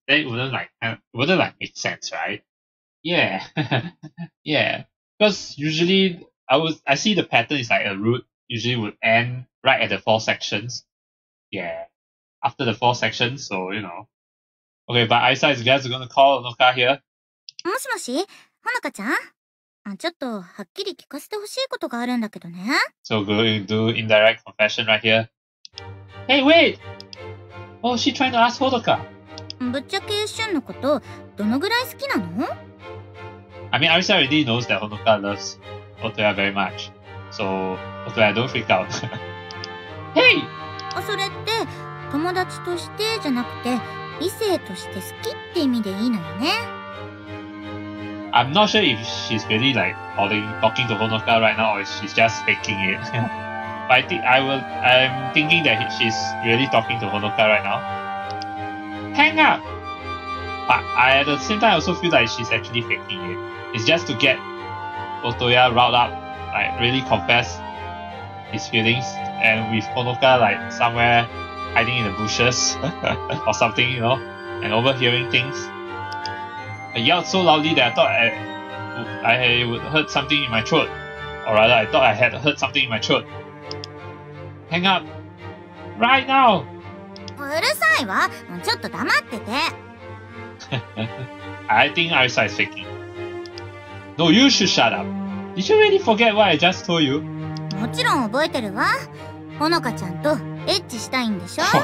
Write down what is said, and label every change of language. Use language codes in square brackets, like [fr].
[en] Then it wouldn't make sense, right? Yeah. Yeah. Because usually I see the pattern is like a route usually would end right at the four sections. Yeah. After the four sections, so you know. Okay, but Aisa is guys gonna call Honoka here. [ja] もしもし?Honoka-chan? ちょっとはっきり聞かせてほしいことがあるんだけどね [en] So going to do indirect confession right here. Hey, wait! Oh, she's trying to ask Honoka. [ja] ぶっちゃけ、シュンのことどのぐらい好きなの? [en] I mean, Arisa already knows that Honoka loves Otoya very much. So, Otoya, don't freak out. Hey! [ja] それって友達としてじゃなくて異性として好きって意味でいいのよね。 [en] I'm not sure if she's really like talking to Honoka right now or if she's just faking it. But I'm thinking that she's really talking to Honoka right now. Hang up! But I, at the same time, I also feel like she's actually faking it. It's just to get Otoya riled up, like really confess his feelings, and with Honoka like somewhere hiding in the bushes or something, you know, and overhearing things. I yelled so loudly that I thought I would hurt something in my throat. Or rather, I thought I had hurt something in my throat. Hang up! Right now! [ja] Urusai wa! Chotto damattete! [en] I think Arisa is faking. No, you should shut up! Did you really forget what I just told you? [ja] もちろん覚えてるわ。ほのかちゃんとエッチしたいんでしょ?